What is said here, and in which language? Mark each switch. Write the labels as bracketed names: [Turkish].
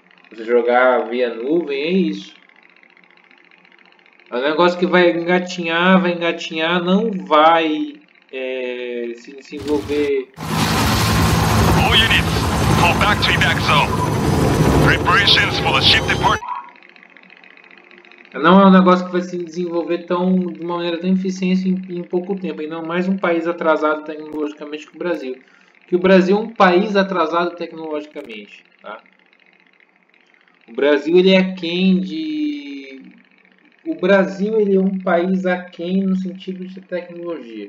[Portuguese] Você jogar via nuvem, é isso. É um negócio que vai engatinhar, não vai se desenvolver. [English] All units, call back to evac zone. Preparations for the ship departure. [Portuguese] Não é um negócio que vai se desenvolver de uma maneira tão eficiente em pouco tempo, ainda mais um país atrasado tecnologicamente que o Brasil. Que o Brasil é um país atrasado tecnologicamente, tá? O Brasil, ele é aquém de... O Brasil, ele é um país aquém no sentido de tecnologia.